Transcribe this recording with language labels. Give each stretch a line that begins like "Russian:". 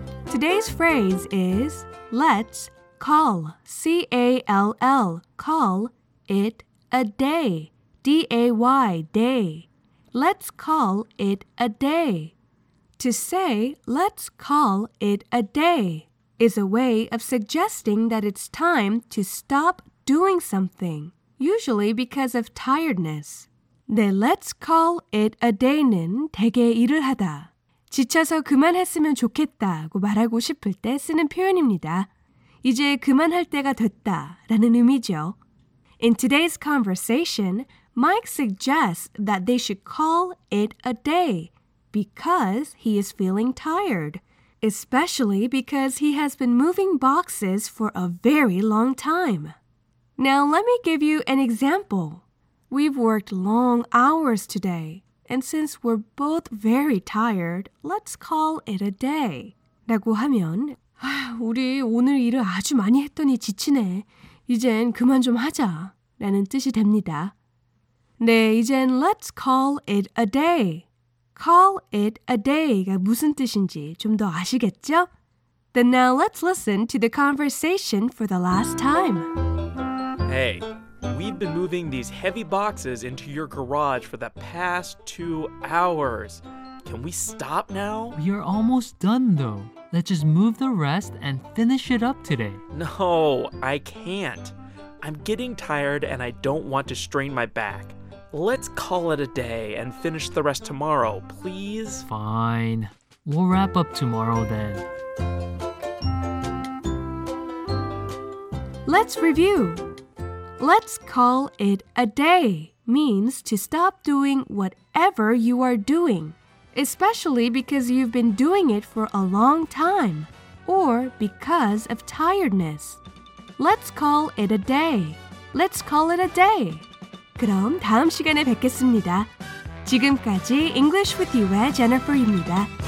English: Today's phrase is let's call, C-A-L-L, call it a day, D-A-Y, day. Let's call it a day. To say let's call it a day is a way of suggesting that it's time to stop doing something, usually because of tiredness.
Korean: 네,
English: let's call it a day
Korean: 는 대개 일을 하다, 지쳐서 그만했으면 좋겠다고 말하고 싶을 때 쓰는 표현입니다. 이제 그만할 때가 됐다라는 의미죠.
English: In today's conversation, Mike suggests that they should call it a day because he is feeling tired. Especially because he has been moving boxes for a very long time. Now, let me give you an example. We've worked long hours today, and since we're both very tired, let's call it a day.
Korean: 라고 하면, 우리 오늘 일을 아주 많이 했더니 지치네. 이젠 그만 좀 하자. 라는 뜻이 됩니다. 네, 이젠
English: let's call it a day. Call it a day
Korean: 가 무슨 뜻인지 좀 더 아시겠죠?
English: Then now let's listen to the conversation for the last time. Hey, We've been moving these heavy boxes into your garage for the past 2 hours. Can we stop now? We are almost done, though. Let's just move the rest and finish it up today. No, I can't. I'm getting tired and I don't want to strain my back. Let's call it a day and finish the rest tomorrow, please? Fine. We'll wrap up tomorrow then. Let's review. Let's call it a day means to stop doing whatever you are doing, especially because you've been doing it for a long time or because of tiredness. Let's call it a day. Let's call it a day.
Korean: 그럼 다음 시간에 뵙겠습니다. 지금까지 English with You의 Jennifer입니다.